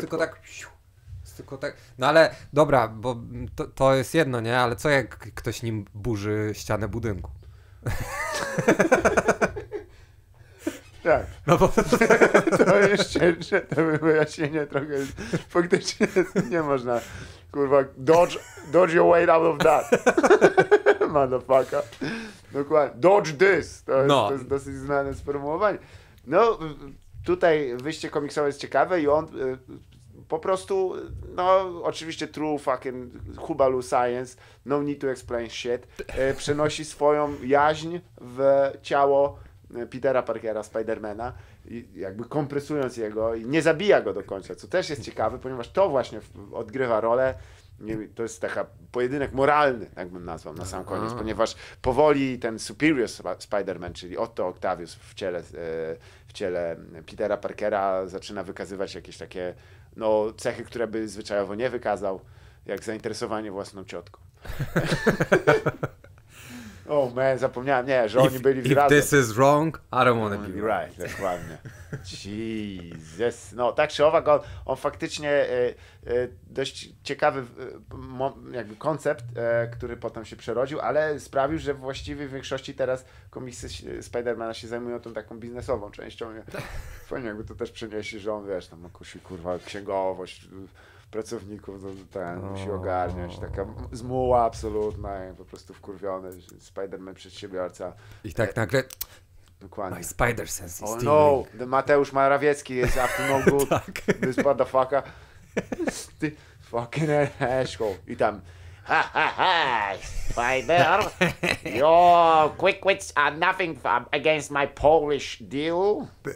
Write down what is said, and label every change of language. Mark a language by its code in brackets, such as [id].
[pl] Tylko tak... Tylko tak. No ale dobra, bo to jest jedno, nie? Ale co jak ktoś nim burzy ścianę budynku? Tak. No bo to jest cięższe, to wyjaśnienie trochę. Faktycznie nie można. Kurwa, [en] dodge your way out of that. Motherfucker. [pl] Dokładnie. [en] Dodge this. [pl] To jest dosyć znane sformułowanie. No tutaj wyjście komiksowe jest ciekawe i on. Po prostu, no oczywiście [en] true fucking hubalu science, no need to explain shit, [pl] przenosi swoją jaźń w ciało Petera Parkera, Spidermana, jakby kompresując jego i nie zabija go do końca, co też jest ciekawe, ponieważ to właśnie odgrywa rolę, to jest taki pojedynek moralny, tak bym nazwał na sam koniec, ponieważ powoli ten superior Spider-Man, czyli Otto Octavius w ciele Petera Parkera zaczyna wykazywać jakieś takie no, cechy, które by zwyczajowo nie wykazał, jak zainteresowanie własną ciotką. O, zapomniałem, nie, że oni byli razem. [en] If this is wrong, I don't want to be right. [pl] Dokładnie. Jesus. No, tak czy owak, on faktycznie dość ciekawy jakby koncept, który potem się przerodził, ale sprawił, że właściwie w większości teraz komiksy Spidermana się zajmują tą taką biznesową częścią. Fajnie, jakby to też przeniesie, że on, wiesz, tam jakąś kurwa księgowość pracowników, musi ogarniać, taka zmuła absolutna, po prostu wkurwiony, Spider-Man przedsiębiorca. I tak nagle, dokładnie. [en] My spider sense is stealing. Oh no, Mateusz Morawiecki [pl] jest [en] up to no good, [pl] tak. [en] This motherfucker, [pl] ty [en] fucking asshole. [pl] I tam, [en] ha, Spider, your quick wits are nothing against my Polish deal.